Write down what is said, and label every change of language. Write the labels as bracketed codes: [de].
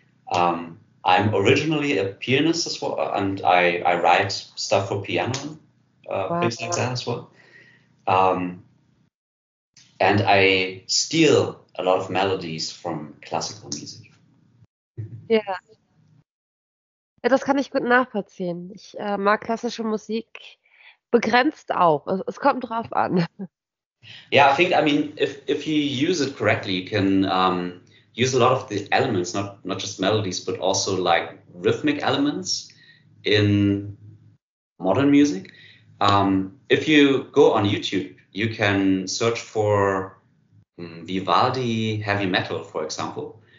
[en] I'm originally a pianist as well, and I write stuff for piano, things like that as well. And I steal a lot of melodies from classical music. Yeah. [de] Ja, das kann ich gut nachvollziehen. Ich mag klassische Musik begrenzt auch. Es kommt drauf an. [en] Yeah, I think, I mean, if you use it correctly, you can use a lot of the elements, not just melodies, but also like rhythmic elements in modern music. If you go on YouTube, you can search for Vivaldi heavy metal, for example.